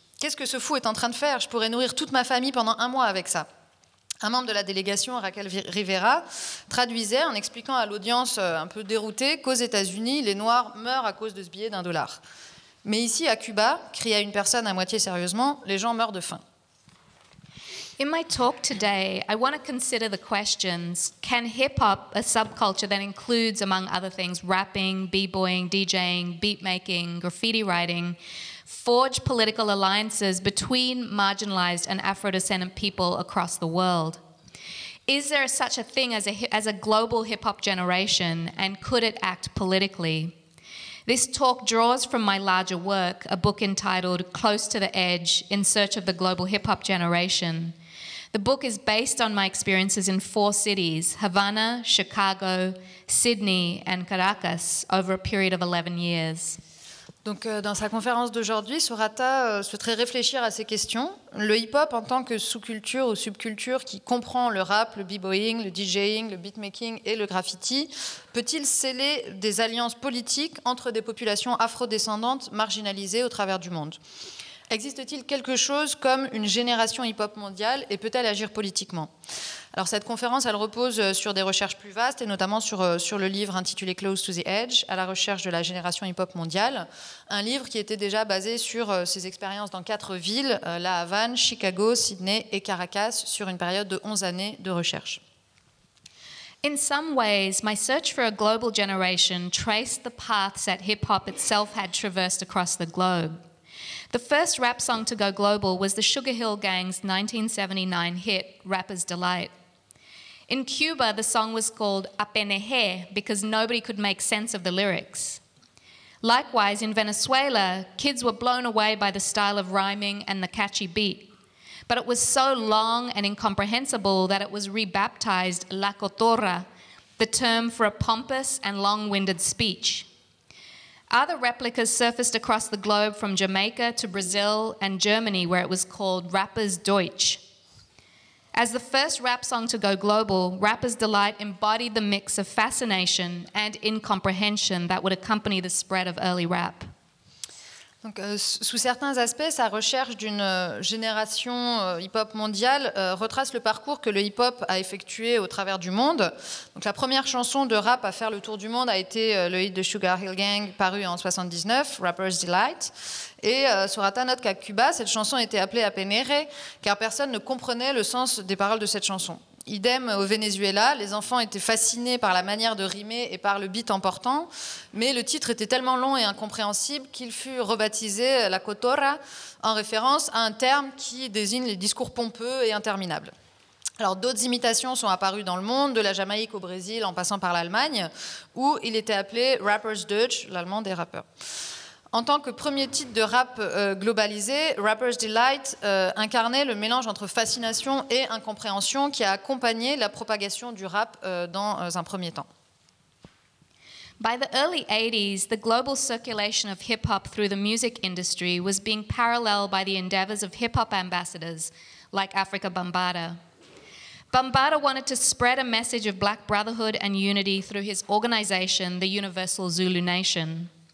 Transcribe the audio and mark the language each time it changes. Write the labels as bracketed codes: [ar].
[fr] « Qu'est-ce que ce fou est en train de faire? Je pourrais nourrir toute ma famille pendant un mois avec ça. » Un membre de la délégation, Raquel Rivera, traduisait en expliquant à l'audience un peu déroutée qu'aux États-Unis, les Noirs meurent à cause de ce billet d'$1. « Mais ici, à Cuba, » cria une personne à moitié sérieusement, « les gens meurent de faim. » [en] In my talk today, I want to consider the questions, can hip-hop, a subculture that includes, among other things, rapping, b-boying, DJing, beat-making, graffiti writing, forge political alliances between marginalized and Afro-descendant people across the world? Is there such a thing as a global hip-hop generation, and could it act politically? This talk draws from my larger work, a book entitled Close to the Edge, In Search of the Global Hip-Hop Generation. The book is based on my experiences in four cities, Havana, Chicago, Sydney and Caracas, over a period of 11 years. [fr] Donc, dans sa conférence d'aujourd'hui, Surata souhaiterait réfléchir à ces questions. Le hip-hop en tant que sous-culture ou subculture qui comprend le rap, le b-boying, le DJing, le beatmaking et le graffiti, peut-il sceller des alliances politiques entre des populations afro-descendantes marginalisées au travers du monde ? Existe-t-il quelque chose comme une génération hip-hop mondiale et peut-elle agir politiquement ? Alors cette conférence, elle repose sur des recherches plus vastes et notamment sur le livre intitulé Close to the Edge, à la recherche de la génération hip-hop mondiale, un livre qui était déjà basé sur ses expériences dans quatre villes, La Havane, Chicago, Sydney et Caracas, sur une période de 11 années de recherche. [en] In some ways, my search for a global generation traced the paths that hip-hop itself had traversed across the globe. The first rap song to go global was the Sugar Hill Gang's 1979 hit, Rapper's Delight. In Cuba, the song was called Apeneje because nobody could make sense of the lyrics. Likewise, in Venezuela, kids were blown away by the style of rhyming and the catchy beat. But it was so long and incomprehensible that it was rebaptized La Cotorra, the term for a pompous and long-winded speech. Other replicas surfaced across the globe from Jamaica to Brazil and Germany, where it was called Rapper's Deutsch. As the first rap song to go global, Rapper's Delight embodied the mix of fascination and incomprehension that would accompany the spread of early rap. [fr] Donc, sous certains aspects, sa recherche d'une génération hip-hop mondiale retrace le parcours que le hip-hop a effectué au travers du monde. Donc, la première chanson de rap à faire le tour du monde a été le hit de Sugar Hill Gang, paru en 79, Rapper's Delight. Et Surata note qu'à Cuba, cette chanson était appelée Apeneje, car personne ne comprenait le sens des paroles de cette chanson. Idem au Venezuela, les enfants étaient fascinés par la manière de rimer et par le beat emportant, mais le titre était tellement long et incompréhensible qu'il fut rebaptisé La Cotorra, en référence à un terme qui désigne les discours pompeux et interminables. Alors d'autres imitations sont apparues dans le monde, de la Jamaïque au Brésil en passant par l'Allemagne, où il était appelé Rapper's Deutsch, l'allemand des rappeurs. En tant que premier titre de rap globalisé, Rapper's Delight incarnait le mélange entre fascination et incompréhension qui a accompagné la propagation du rap dans un premier temps. [en] By the early 80s, the global circulation of hip-hop through the music industry was being paralleled by the endeavors of hip-hop ambassadors like Afrika Bambaataa. Bambaataa wanted to spread a message of black brotherhood and unity through his organization, the Universal Zulu Nation.